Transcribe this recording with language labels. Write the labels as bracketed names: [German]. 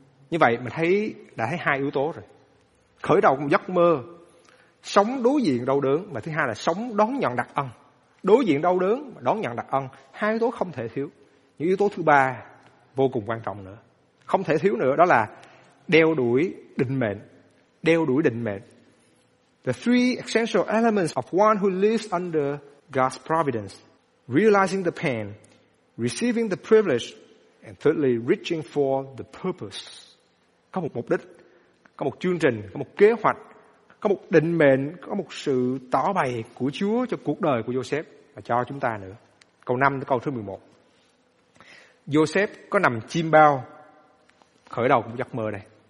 [Vietnamese] Như vậy mình đã thấy hai yếu tố rồi: khởi đầu một giấc mơ, sống đối diện đau đớn, và thứ hai là sống đón nhận đặc ân. Đối diện đau đớn và đón nhận đặc ân, hai yếu tố không thể thiếu. Những yếu tố thứ ba vô cùng quan trọng nữa, không thể thiếu nữa, đó là đeo đuổi định mệnh. Đeo đuổi định mệnh. [English] The three essential elements of one who lives under God's providence: realizing the pain, receiving the privilege, and thirdly, reaching for the purpose. [Vietnamese] Có một mục đích, có một chương trình, có một kế hoạch, có một định mệnh, có một sự tỏ bày của Chúa cho cuộc đời của Joseph và cho chúng ta nữa. Câu 5 tới câu thứ 11. Joseph có nằm chiêm bao, khởi đầu cũng giấc mơ đây.